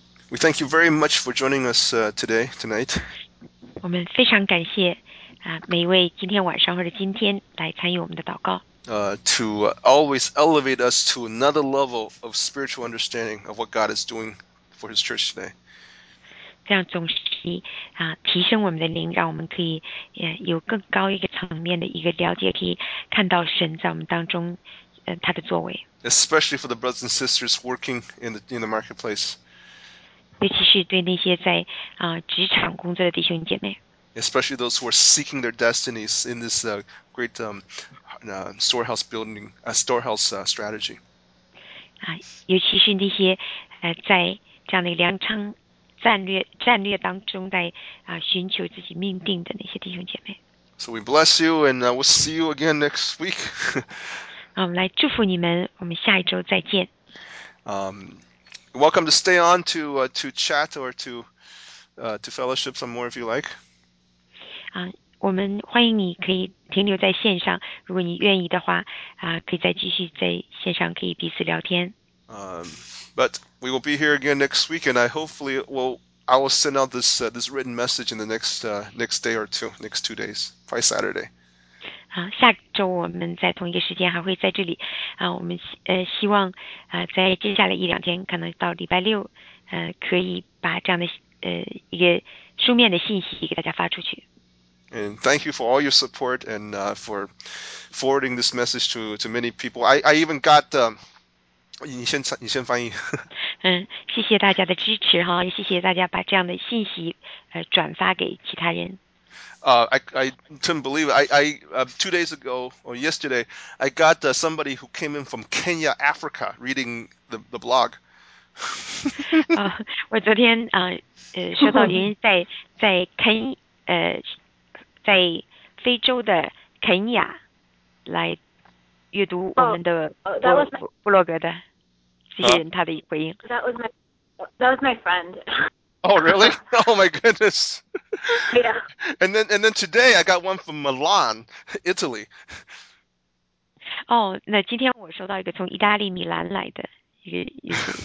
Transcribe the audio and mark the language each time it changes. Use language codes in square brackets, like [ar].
[en] We thank you very much for joining us today tonight. [zh] 我们非常感谢。每一位今天晚上或者今天来参与我们的祷告。 [en] To always elevate us to another level of spiritual understanding of what God is doing for His church today. [zh] 这样总是提升我们的灵，让我们可以有更高一个层面的一个了解，可以看到神在我们当中他的作为。 [en] Especially for the brothers and sisters working in the marketplace. [zh] 尤其是对那些在职场工作的弟兄姐妹。 [en] Especially those who are seeking their destinies in this great storehouse building, storehouse strategy. [zh] 尤其是那些在这样的粮仓战略当中在寻求自己命定的那些弟兄姐妹。 [en] So we bless you, and we'll see you again next week. [zh] 我们来祝福你们，我们下一周再见。 [en] Welcome to stay on to chat or to fellowship some more if you like. [zh] 我们欢迎你可以停留在线上，如果你愿意的话，可以再继续在线上可以彼此聊天。 [en] But we will be here again next week, and I will send out this written message in the next day or two, next 2 days, by Saturday. [zh] 下周我们在同一个时间还会在这里。我们希望在接下来一两天，可能到礼拜六，可以把这样的一个书面的信息给大家发出去。 [en] And thank you for all your support and for forwarding this message to many people. I even got [zh] 你先翻译。谢谢大家的支持哈，也谢谢大家把这样的信息转发给其他人。 [en] I couldn't believe it. I 2 days ago or yesterday, I got somebody who came in from Kenya, Africa, reading the blog. [zh] 我昨天收到人在肯在非洲的肯亚来阅读我们的部落格的这些人他的回应。 [en] That was my friend. Oh really? Oh my goodness. Yeah. And then today I got one from Milan, Italy. [zh] 那今天我收到一个从意大利米兰来的一个